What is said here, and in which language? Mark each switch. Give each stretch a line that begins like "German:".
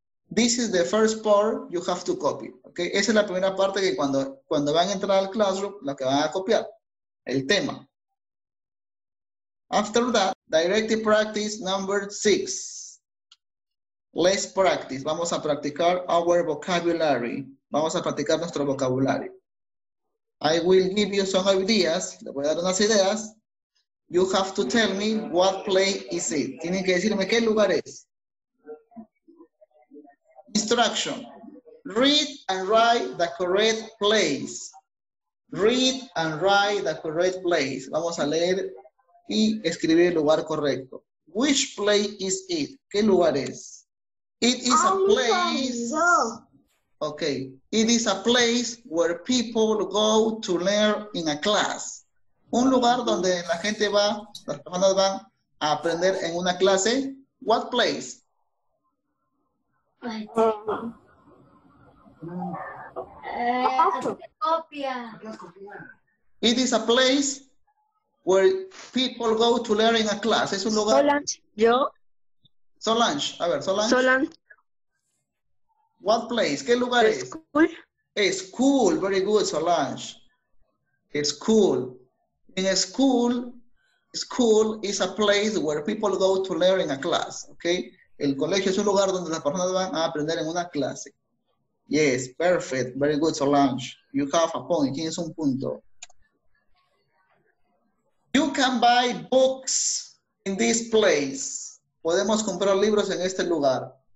English: This is the first part you have to copy. Okay.
Spanish: Esa es la primera parte que cuando van a entrar al classroom, lo que van a copiar, el tema.
English: After that, directive practice number 6. Let's practice.
Spanish: Vamos a practicar
English: our vocabulary.
Spanish: Vamos a practicar nuestro vocabulario.
English: I will give you some ideas.
Spanish: Le voy a dar unas ideas.
English: You have to tell me what place is it.
Spanish: Tienen que decirme qué lugar es.
English: Instruction. Read and write the correct place. Read and write the correct place.
Spanish: Vamos a leer y escribir el lugar correcto.
English: Which place is it?
Spanish: ¿Qué lugar es?
English: It is a place. Okay. It is a place where people go to learn in a class.
Spanish: Un lugar donde la gente va, las personas van a aprender en una clase.
English: What place? It is a place where people go to learn in a class.
Spanish: Es un lugar. Solange. Yo. Solange. A ver, Solange. Solange.
English: What place?
Spanish: ¿Qué lugar es?
English: School. Es school. Very good, Solange. It's school. In a school, school is a place where people go to learn in a class. Okay.
Spanish: El colegio es un lugar donde las personas van a aprender en una clase.
English: Yes, perfect. Very good, Solange. You have a point.
Spanish: Tienes un punto.
English: You can buy books in this place.
Spanish: Podemos comprar libros en este lugar.